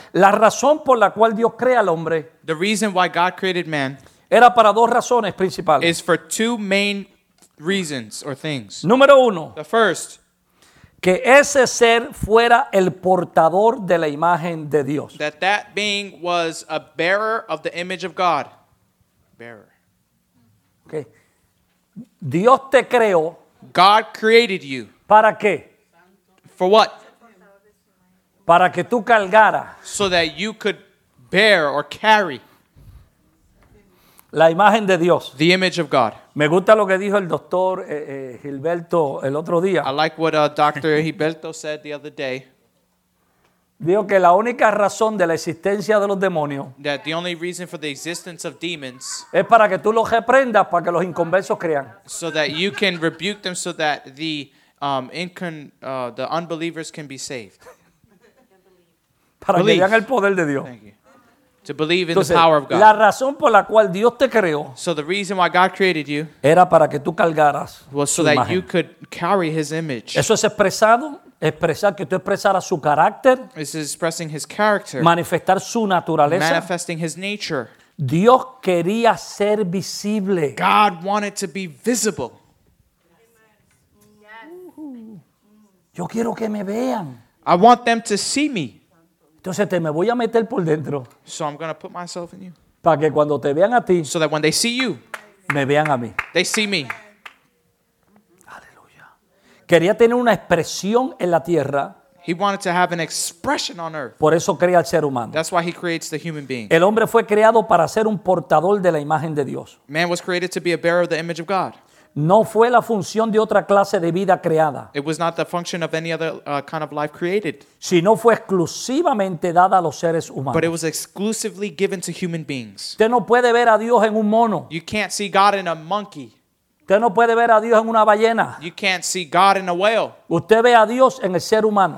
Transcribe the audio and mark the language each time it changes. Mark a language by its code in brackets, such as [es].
[es] La razón por la cual Dios crea al hombre. [en] The reason why God created man. [es] Era para dos razones principales. [en] Is for two main reasons or things. [es] Número uno. [en] The first. [es] Que ese ser fuera el portador de la imagen de Dios. [en] That being was a bearer of the image of God. Bearer. [es] Okay. Dios te creó. [en] God created you. [es] ¿Para qué? [en] For what? [es] Para que tú cargara. [en] So that you could bear or carry. [es] La imagen de Dios. [en] The image of God. [es] Me gusta lo que dijo el doctor Gilberto el otro día. [en] I like what Dr. Gilberto said the other day. [es] Dijo que la única razón de la existencia de los demonios. [en] That the only reason for the existence of demons. [es] Es para que tú los reprendas para que los inconversos crean. [en] So that you can rebuke them so that the the unbelievers can be saved. [es] Para believe. Que vean el poder de Dios. [en] Thank you. To believe in [es] entonces, [en] the power of God. [es] La razón por la cual Dios te creó, [en] so the reason why God created you [es] era para que tú cargaras [en] was so [es] su [en] that [es] imagen. [en] You could carry his image. [es] Eso es expresado, expresar que tú expresaras su carácter. [en] This is expressing his character. [es] Manifestar su naturaleza. [en] Manifesting his nature. [es] Dios quería ser visible. [en] God wanted to be visible. [es] Yo quiero que me vean. [en] I want them to see me. [es] Entonces te me voy a meter por dentro. [en] So I'm going to put myself in you. [es] Para que cuando te vean a ti. [en] So that when they see you. [es] Me vean a mí. [en] They see me. [es] Aleluya. Quería tener una expresión en la tierra. [en] He wanted to have an expression on earth. [es] Por eso crea al ser humano. [en] That's why he creates the human being. [es] El hombre fue creado para ser un portador de la imagen de Dios. [en] Man was created to be a bearer of the image of God. [es] No fue la función de otra clase de vida creada. [en] It was not the function of any other kind of life created. [es] Sino fue exclusivamente dada a los seres humanos. [en] But it was exclusively given to human beings. [es] Usted no puede ver a Dios en un mono. [en] You can't see God in a monkey. [es] Usted no puede ver a Dios en una ballena. [en] You can't see God in a whale. [es] Usted ve a Dios en el ser humano.